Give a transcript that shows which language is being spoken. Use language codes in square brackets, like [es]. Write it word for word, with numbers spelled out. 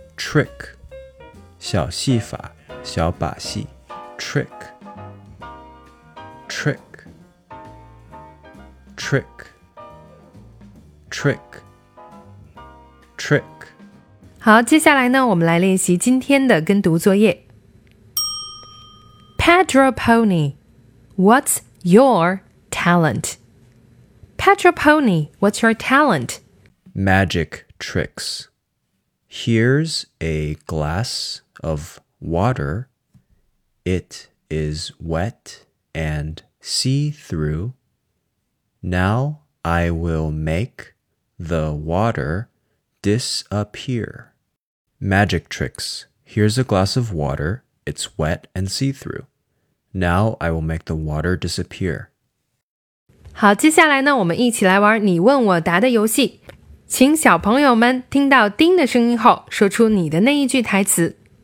[zh] Trick 小戏法，小把戏。 [en] Trick Trick Trick Trick Trick [zh] 好，接下来呢，我们来练习今天的跟读作业。 [en] Pedro Pony, what's your talent? Pedro Pony, what's your talent? Magic tricks. Here's a glass of water. It is wet and see-through. Now I will make... The water disappear. Magic tricks. Here's a glass of water. It's wet and see-through. Now I will make the water disappear. [zh] 好，接下来呢，我们一起来玩你问我答的游戏。请小朋友们听到叮的声音后，说出你的那一句台词。